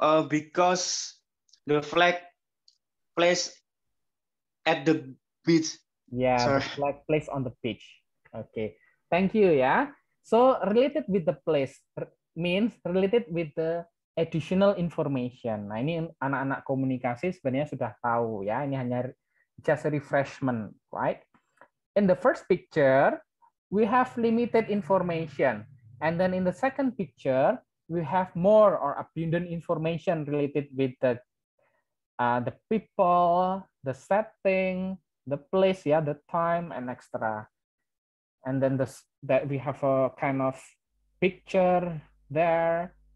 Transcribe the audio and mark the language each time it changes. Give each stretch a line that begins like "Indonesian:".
English: Because the flag place at the beach. Yeah, sorry. The flag place on the beach. Okay, thank you. Yeah, so related with the place means related with the additional information.
Indonesian: Nah, ini anak-anak komunikasi sebenarnya sudah tahu ya. Ini hanya
English: just refreshment, right? In the first picture, we have limited information, and then in the second picture, we have more or abundant information related with the people, the setting, the place, yeah, the time and extra, and then the that we have a kind of picture there.